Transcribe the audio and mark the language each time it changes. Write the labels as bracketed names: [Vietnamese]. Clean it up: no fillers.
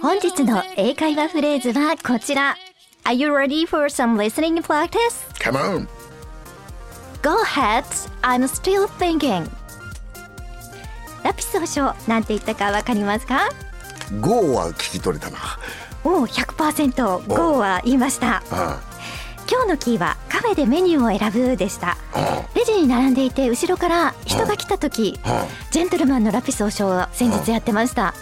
[Japanese] 本日の英会話フレーズはこちら。 [English] Are you ready for some listening practice? Come on! Go ahead, I'm still thinking. [Japanese] ラピス保証、なんて言ったかわかりますか？ Go は聞き取れたな。おお、 100% Go は言いました。今日のキーはカフェでメニューを選ぶでした。レジに並んでいて後ろから人が来た時、ジェントルマンのラピス保証を先日やってました。